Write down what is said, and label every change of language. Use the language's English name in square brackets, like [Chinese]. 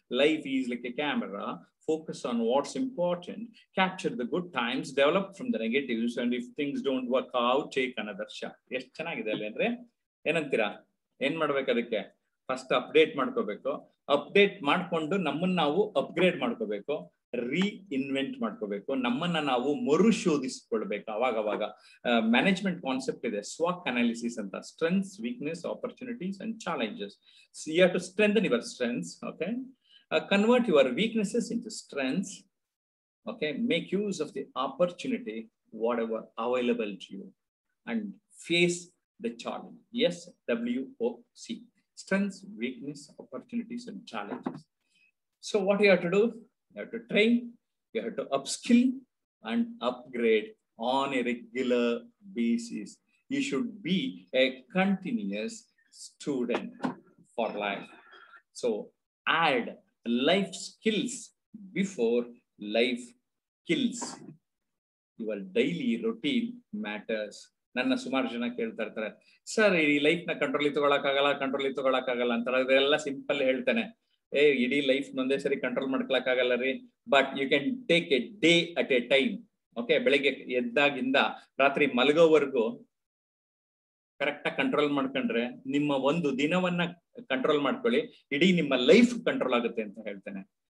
[English] Life is like a camera, focus on what's important, capture the good times, develop from the negatives, and if things don't work out, take another shot. [Kannada] Yes, chenagide alle andre enantira en madbeku adakke? First update madkobeku, update madkondo nammanna navu upgrade madkobeku, reinvent ಮಾಡ್ಕೋಬೇಕು, ನಮ್ಮನ್ನ ನಾವು ಮರುಶೋಧಿಸಿಕೊಳ್ಬೇಕು ಅವಾಗವಾಗ. Management concept ಇದೆ, ಸ್ವಾಕ್ analysis ಅಂತ. Strengths, weakness, opportunities and challenges. [English] See you have to strengthen your strengths. Okay, convert your weaknesses into strengths. Okay, make use of the opportunity whatever available to you and face the challenge. S, WOC, strengths, weakness, opportunities and challenges. So what you have to do? You have to train, you have to upskill and upgrade on a regular basis. You should be a continuous student for life. So add life skills before life kills. Your daily routine matters. [Kannada] ನನ್ನ ಸುಮಾರು ಜನ ಕೇಳ್ತಾ ಇರ್ತಾರೆ, sir ಈ ಲೈಫ್ನ control ಇತ್ಕೊಳಕ್ಕಾಗಲ್ಲ, control ಇತ್ಕೊಳಕ್ಕಾಗಲ್ಲ ಅಂತಾರೆ. ಅದೆಲ್ಲ simple ಹೇಳ್ತೇನೆ. ಏ, ಇಡೀ ಲೈಫ್ ಒಂದೇ ಸರಿ ಕಂಟ್ರೋಲ್ ಮಾಡ್ಕೊಳಕ್ಕಾಗಲ್ಲ ರೀ, [English] But you can take a day at a time. [Kannada] Okay, ಬೆಳಿಗ್ಗೆ ಎದ್ದಾಗಿಂದ ರಾತ್ರಿ ಮಲಗೋವರೆಗೂ ಕರೆಕ್ಟಾಗಿ ಕಂಟ್ರೋಲ್ ಮಾಡ್ಕೊಂಡ್ರೆ ನಿಮ್ಮ ಒಂದು ದಿನವನ್ನ ಕಂಟ್ರೋಲ್ ಮಾಡ್ಕೊಳ್ಳಿ, ಇಡೀ ನಿಮ್ಮ ಲೈಫ್ ಕಂಟ್ರೋಲ್ ಆಗುತ್ತೆ ಅಂತ ಹೇಳ್ತೇನೆ.